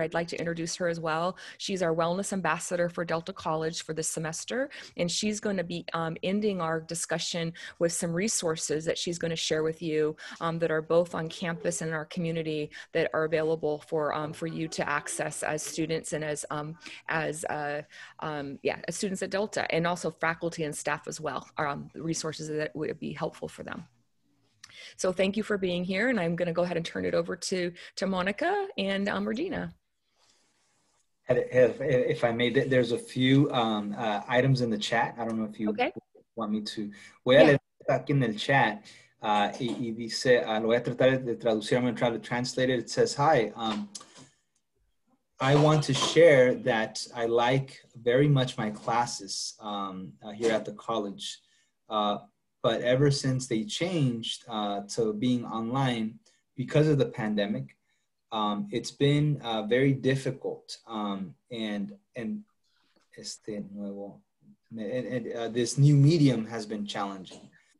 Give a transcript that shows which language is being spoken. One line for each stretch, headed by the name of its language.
English: I'd like to introduce her as well. She's our wellness ambassador for Delta College for this semester, and she's going to be ending our discussion with some resources that she's going to share with you that are both on campus and in our community that are available for you to access as students and as students at Delta, and also faculty and staff as well, resources that would be helpful for them. So thank you for being here, and I'm going to go ahead and turn it over to Monica and Regina. If I may, there's a few items in the chat. I don't know if you want me to.
Spanish: Voy a leer aquí en el chat. Y dice, lo voy a tratar de traducir.
English: I'm going to try to translate it. It says, hi, I want to share that I like very much my classes here at the college. But ever since they changed to being online because of the pandemic, it's been very difficult, and this new medium has been challenging.